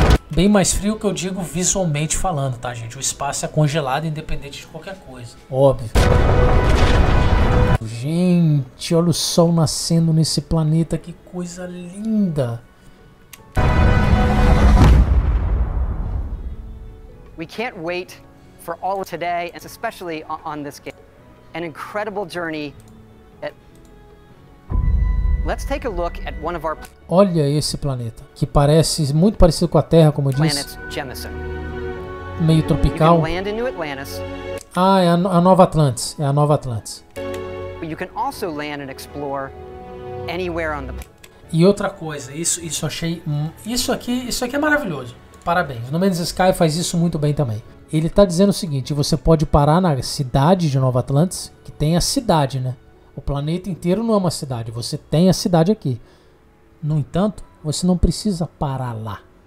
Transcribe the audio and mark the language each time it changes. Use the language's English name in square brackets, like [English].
[Portuguese] Bem mais frio que eu digo visualmente falando, tá, gente? O espaço é congelado independente de qualquer coisa. Óbvio. Gente, olha o sol nascendo nesse planeta, que coisa linda! [English] We can't wait for all of today, and especially on this game. An incredible journey. Let's take a look at one of our... [Portuguese] Olha esse planeta, que parece muito parecido com a Terra, como eu disse. [English] Planet Jemison. [Portuguese] Meio tropical. [English] You can land in New Atlantis. [Portuguese] Ah, é a Nova Atlantis. É a Nova Atlantis. [English] But you can also land and explore anywhere on the... [Portuguese] E outra coisa, isso achei... Isso aqui é maravilhoso. Parabéns. No Man's Sky faz isso muito bem também. Ele está dizendo o seguinte, você pode parar na cidade de Nova Atlantis, que tem a cidade, né? O planeta inteiro não é uma cidade, você tem a cidade aqui. No entanto, você não precisa parar lá.